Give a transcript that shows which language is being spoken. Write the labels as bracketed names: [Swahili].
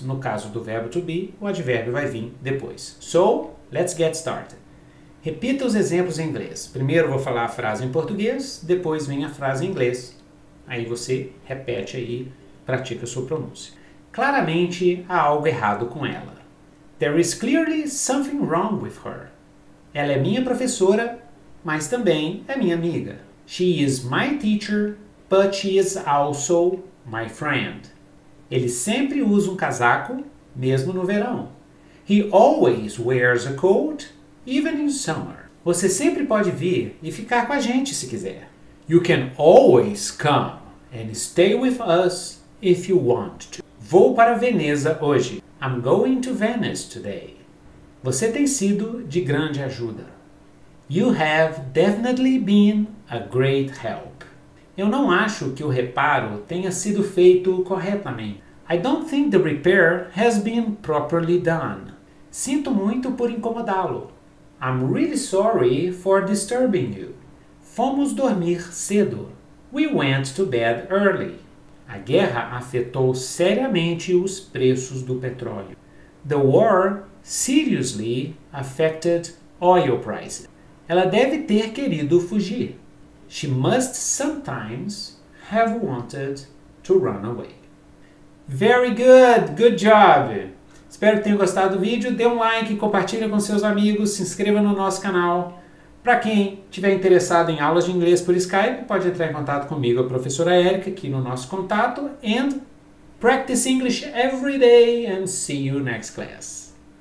[Portuguese] No caso do verbo to be, o advérbio vai vir depois. [English] So, let's get started. [Portuguese] Repita os exemplos em inglês. Primeiro vou falar a frase em português, depois vem a frase em inglês. Aí você repete aí, pratica a sua pronúncia. Claramente há algo errado com ela. [English] There is clearly something wrong with her. [Portuguese] Ela é minha professora, mas também é minha amiga. [English] She is my teacher, but she is also my friend. [Portuguese] Ele sempre usa um casaco, mesmo no verão. [English] He always wears a coat, even in summer. [Portuguese] Você sempre pode vir e ficar com a gente se quiser. [English] You can always come and stay with us if you want to. [Portuguese] Vou para Veneza hoje. [English] I'm going to Venice today. [Portuguese] Você tem sido de grande ajuda. [English] You have definitely been a great help. [Portuguese] Eu não acho que o reparo tenha sido feito corretamente. [English] I don't think the repair has been properly done. [Portuguese] Sinto muito por incomodá-lo. [English] I'm really sorry for disturbing you. [Portuguese] Fomos dormir cedo. [English] We went to bed early. [Portuguese] A guerra afetou seriamente os preços do petróleo. [English] The war seriously affected oil prices. [Portuguese] Ela deve ter querido fugir. [English] She must sometimes have wanted to run away. Very good, good job! [Portuguese] Espero que tenham gostado do vídeo. Dê um like, compartilhe com seus amigos, se inscreva no nosso canal. Para quem tiver interessado em aulas de inglês por Skype, pode entrar em contato comigo, a professora Erika, aqui no nosso contato. [English] And practice English every day and see you next class.